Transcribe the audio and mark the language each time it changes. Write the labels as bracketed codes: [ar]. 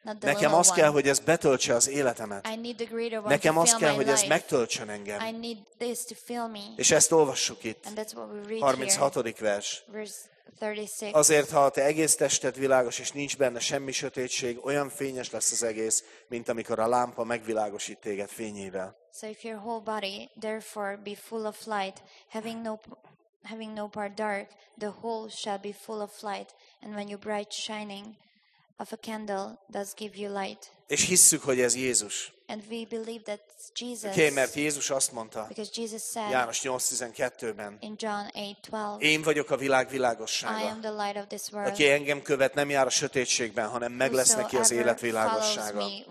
[hu] Nekem az kell, hogy ez betöltse az életemet. Nekem az kell, hogy ez megtöltsön engem. És ezt olvassuk itt. 36. vers. Azért, ha a te egész tested világos, és nincs benne semmi sötétség, olyan fényes lesz az egész, mint amikor a lámpa megvilágosít téged fényével. [en] So if your whole body, therefore, be full of light, having no part dark, the whole shall be full of light, and when you bright shining, of a candle does give you light. [hu] És hisszük, hogy ez Jézus. [en] And we believe that Jesus. [hu] Okay, mert Jézus azt mondta. [en] Because Jesus said. [hu] János 8:12-ben. [en] In John 8:12. [hu] Én vagyok a világ világossága. [en] I am the light of this world. [hu] Aki engem követ, nem jár a sötétségben, hanem meg lesz neki az élet világossága.